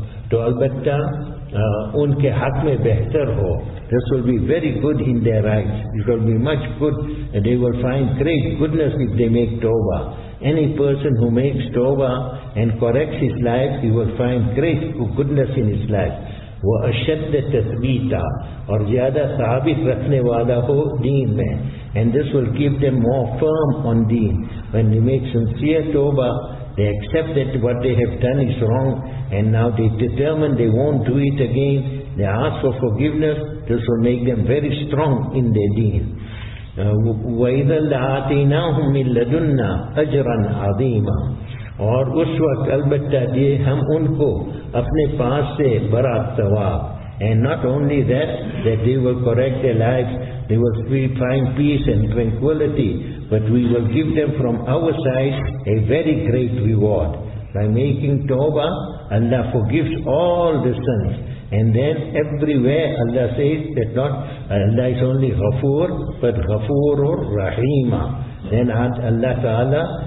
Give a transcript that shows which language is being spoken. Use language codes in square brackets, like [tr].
[ur] To albatta, unke haq mein behtar ho. [en] This will be very good in their eyes. It will be much good. They will find great goodness if they make tawbah. Any person who makes tawbah and corrects his life, he will find great goodness in his life. [ar] وَأَشَدَّ تَثْبِيتًا. [ur] اور زیادہ ثابت رکھنے والا ہو دین میں. [en] And this will keep them more firm on deen. When they make sincere tawbah, they accept that what they have done is wrong, and now they determine they won't do it again, they ask for forgiveness, this will make them very strong in their deen. [ar] وَإِذَا لَآتَيْنَاهُمْ مِنْ لَدُنَّا أَجْرًا عَظِيمًا. [ur] اور اس وقت البتہ دیے ہم ان کو اپنے پاس سے بڑا ثواب. [en] And not only that, that they will correct their lives, they will find peace and tranquility, but we will give them from our side a very great reward. By making tawbah, Allah forgives all the sins. And then everywhere Allah says that not Allah is only ghafoor, but ghafoorur rahima. Then Allah Ta'ala